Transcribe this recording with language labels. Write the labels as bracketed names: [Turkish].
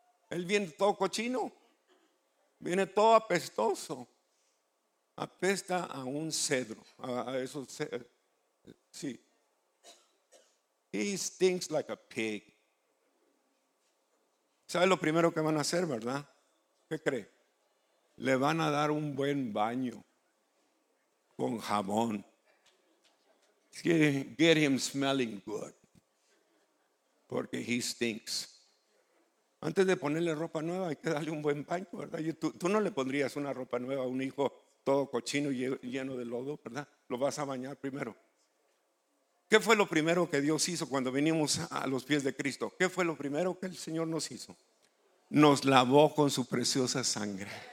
[Spanish] Él viene todo cochino, viene todo apestoso, apesta a un cedro, a esos cedros. Sí. [English] He stinks like a pig. [Spanish] ¿Sabe lo primero que van a hacer, verdad? ¿Qué cree? Le van a dar un buen baño con jabón. [English] Get him smelling good, [Spanish] porque [English] he stinks. [Spanish] Antes de ponerle ropa nueva, hay que darle un buen baño, ¿verdad? Tú no le pondrías una ropa nueva a un hijo todo cochino y lleno de lodo, ¿verdad? Lo vas a bañar primero. ¿Qué fue lo primero que Dios hizo cuando vinimos a los pies de Cristo? ¿Qué fue lo primero que el Señor nos hizo? Nos lavó con su preciosa sangre.